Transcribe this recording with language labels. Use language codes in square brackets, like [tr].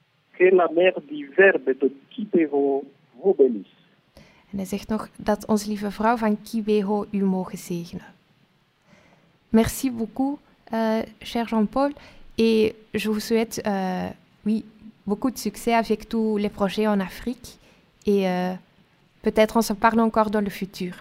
[fr] Que la mère du Verbe de Quibero vous bénisse. [nl] En hij zegt nog dat onze lieve vrouw van Quibero u mogen zegenen. [fr] Merci beaucoup, cher Jean-Paul. Et je vous souhaite oui, beaucoup de succès avec tous les projets en Afrique. Et peut-être on se parle encore dans le futur.